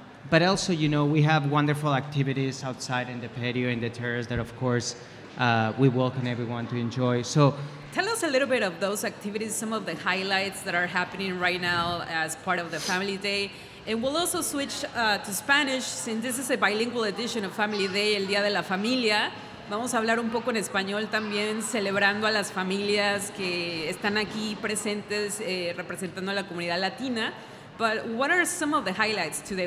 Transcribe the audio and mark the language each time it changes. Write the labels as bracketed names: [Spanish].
[English] But also, you know, we have wonderful activities outside in the patio, in the terrace that, of course, we welcome everyone to enjoy. So tell us a little bit of those activities, some of the highlights that are happening right now as part of the Family Day. And we'll also switch to Spanish, since this is a bilingual edition of Family Day, El Día de la Familia. [Spanish] Vamos a hablar un poco en español también, celebrando a las familias que están aquí presentes, representando a la comunidad latina. [English] But what are some of the highlights today?